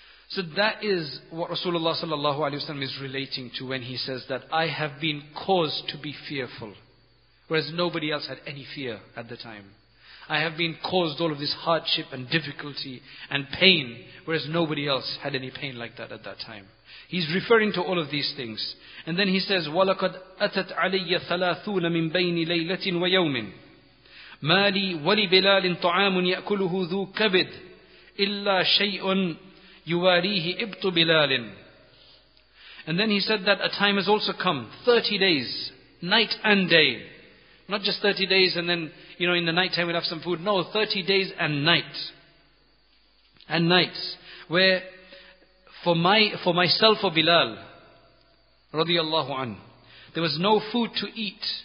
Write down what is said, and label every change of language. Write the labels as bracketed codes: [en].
[en] So that is what Rasulullah sallallahu alaihi wasallam is relating to when he says that I have been caused to be fearful, whereas nobody else had any fear at the time. I have been caused all of this hardship and difficulty and pain, whereas nobody else had any pain like that at that time. He's referring to all of these things. And then he says, [ar] وَلَقَدْ أَتَتْ عَلَيَّ ثَلَاثُونَ مِنْ بَيْنِ لَيْلَةٍ وَيَوْمٍ مَا لِي وَلِبِلَالٍ طَعَامٌ يَأْكُلُهُ ذُو كَبِدٍ إِلَّا شَيْءٌ يُوَارِيهِ إِبْتُ بِلَالٍ. [en] And then he said that a time has also come, 30 days, night and day. Not just 30 days and then, you know, in the night time we'll have some food. No, 30 days and night. And nights. Where for myself or Bilal, radiallahu anhu, there was no food to eat.